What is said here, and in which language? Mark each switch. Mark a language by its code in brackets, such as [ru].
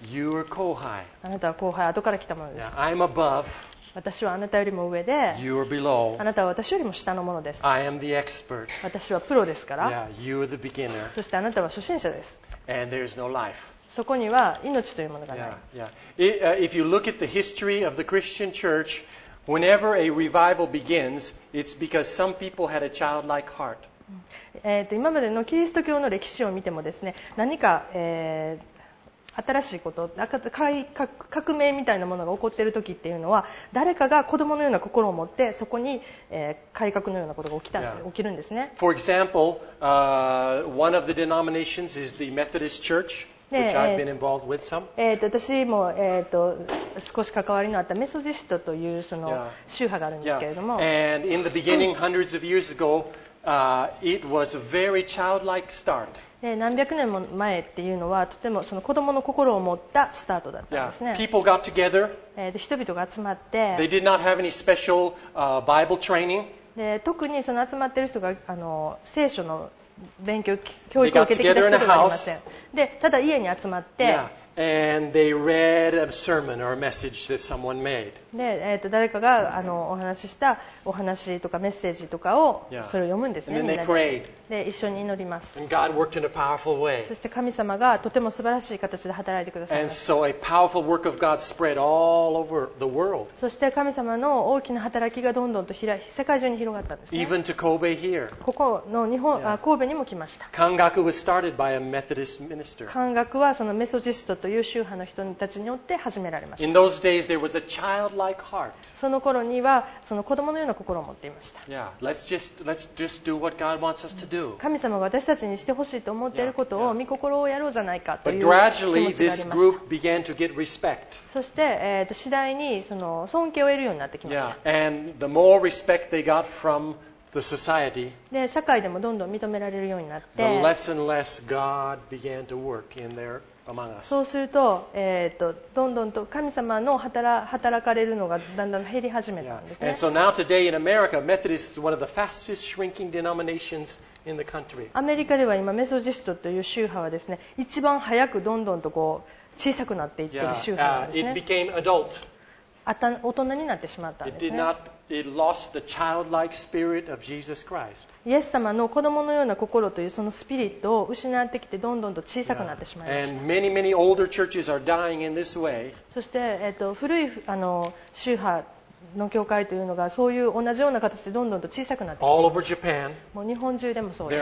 [en] You are 後輩。 [ja] あなたは後輩、後から来たものです。 [en] Yeah. I'm above. [ja] 私はあなたよりも上で、 [en] You are below. [ja] あなたは私よりも下のものです。 [en] I am the expert. [ja] 私はプロですから、 [en] Yeah. You are the beginner. [ja] そしてあなたは初心者です。 [en] And there is no life. [ja] そこには命というものがない。 [en] Yeah. Yeah. If you look at the history of the Christian church,Whenever a revival begins, it's because some people had a childlike heart. [ja] 今までのキリスト教の歴史を見てもですね、何か、新しいこと、革命みたいなものが起こっている時っていうのは、誰かが子供のような心を持って、そこに、改革のようなことが起きるんですね。 [en] For example, one of the denominations is the Methodist Church. [ja] 私も、少し関わりのあったメソジストというその宗派があるんですけれども、 [en] And in the beginning, hundreds of years ago, it was a very childlike start. [ja] 何百年も前っていうのはとてもその子供の心を持ったスタートだったんですね。 [en] Yeah. People got together. [ja] 人々が集まって、 [en] They did not have any special, Bible training. [ja] 特にその集まっている人が聖書の勉強教育を受けてきた人ではありません。で、ただ家に集まって、 [en] yeah. And they read a sermon or a message that someone made. [ja] で、誰かがお話ししたお話とかメッセージとかをそれを読むんですね。 [en] Yeah. And then they prayed. [ja] で、一緒に祈ります。 [en] And God worked in a powerful way. [ja] そして神様がとても素晴らしい形で働いてくださいました。 [en] And so a powerful work of God spread all over the world. [ja] そして神様の大きな働きがどんどんと世界中に広がったんですね。 [en] Even to Kobe here. [ja] ここの日本、yeah. 神戸にも来ました。 [en] 神学 was started by a Methodist minister. [ja] 神学はそのメソジストという宗派の人たちによって始められました。 [en] In those days, there was a childlike heart. [ja] その頃にはその子供のような心を持っていました。 [en] Yeah. Let's just do what God wants us to do. [ja] 神様が私たちにしてほしいと思っていることを御心をやろうじゃないかという気持ちがありました。そして、次第にその尊敬を得るようになってきました。 [en] yeah. And the more respect they got from the society, [ja] で社会でもどんどん認められるようになって、 [en] the less and less God began to work in their among us. [ja] そうすると、どんどんと神様の働かれるのがだんだん減り始めたんですね。 [en] yeah. And so now today in America, Methodist is one of the fastest shrinking denominationsIn the country. [ja] アメリカでは今メソジストという宗派はですね、一番早くどんどんとこう小さくなっていっている宗派なんですね。 [en] It became adult. [ja] 大人になってしまったんですね。 [en] It lost the childlike spirit of Jesus Christ. [ja] イエス様の子供のような心というそのスピリットを失ってきて、どんどんと小さくなってしまいました。 [en] And many, many older churches are dying in this way. [ja] そして、古い宗派の教会というのがそういう同じような形でどんどんと小さくなってきます。 [en] All over Japan, [ja] もう日本中でもそうです。